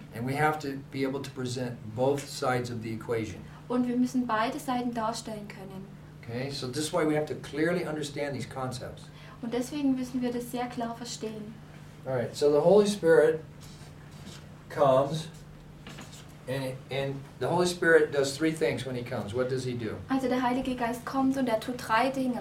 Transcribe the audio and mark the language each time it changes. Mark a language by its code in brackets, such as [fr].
[en] And we have to be able to present both sides of the equation. [de] Und wir müssen beide Seiten darstellen können. [en] Okay, so this is why we have to clearly understand these concepts. [de] Und deswegen müssen wir das sehr klar verstehen. [en] All right, so the Holy Spirit comes. And the Holy Spirit does three things when he comes. What does he do? [de] Also der Heilige Geist kommt und er tut drei Dinge.